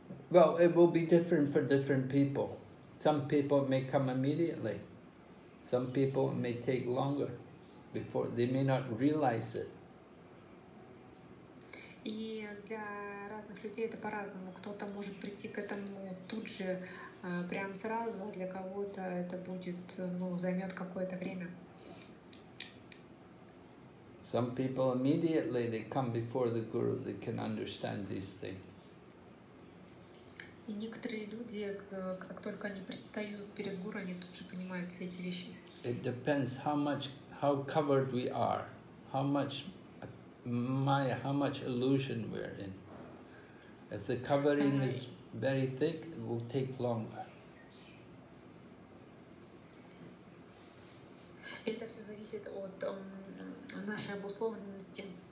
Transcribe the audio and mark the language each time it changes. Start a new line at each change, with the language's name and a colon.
English: Well, it will be different for different people. Some people may come immediately. Some people may take longer before they may not realize it.
Russian: И для разных людей это по-разному. Кто-то может прийти к этому тут же, прямо сразу, для кого-то это будет, ну, займет какое-то время.
English: Some people immediately they come before the guru, they can understand these things.
Russian: И некоторые люди, как только они предстают перед гуру, они тут же понимают все эти вещи.
English: It depends how much, how covered we are, how much maya, how much illusion we're in. If the covering is very thick, it will take longer.
Russian: Это все зависит от нашей обусловленности.